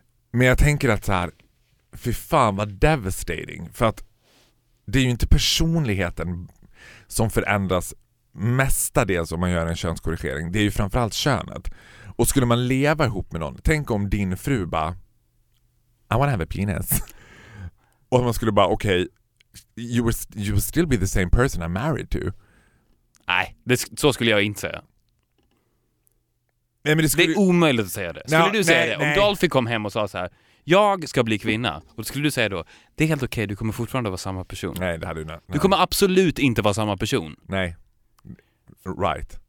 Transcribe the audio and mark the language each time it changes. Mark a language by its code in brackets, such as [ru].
[sv] Men jag tänker att så här, fy fan vad devastating. För att det är ju inte personligheten som förändras mestadels om man gör en könskorrigering. Det är ju framförallt könet. Och skulle man leva ihop med någon, tänk om din fru bara, [en] I wanna have a penis. [sv] Och man skulle bara, okej, [en] okay, You will still be the same person I'm married to. [sv] Nej, så skulle jag inte säga. Det är omöjligt att säga det. Om Dolphy kom hem och sa så här, jag ska bli kvinna, och då skulle du säga då, det är helt okej, du kommer fortfarande vara samma person. Nej, det hade du inte. Du kommer absolut inte vara samma person. Nej. Right.